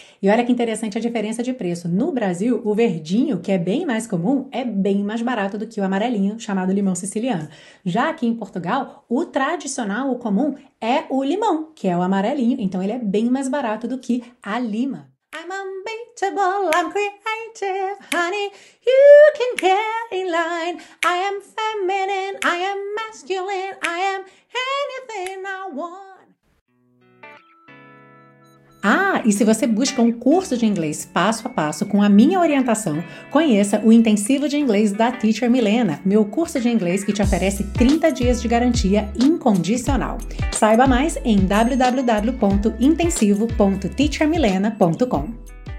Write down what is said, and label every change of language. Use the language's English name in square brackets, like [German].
[Portuguese] E olha que interessante a diferença de preço. No Brasil, o verdinho, que é bem mais comum, é bem mais barato do que o amarelinho, chamado limão siciliano. Já aqui em Portugal, o tradicional, o comum, é o limão, que é o amarelinho. Então, ele é bem mais barato do que a lima. [English] I'm unbeatable, I'm creative, honey, you can get in line. I am feminine, I am masculine, I am anything I want. [Portuguese] Ah, e se você busca um curso de inglês passo a passo com a minha orientação, conheça o Intensivo de Inglês da Teacher Milena, meu curso de inglês que te oferece 30 dias de garantia incondicional. Saiba mais em www.intensivo.teachermilena.com.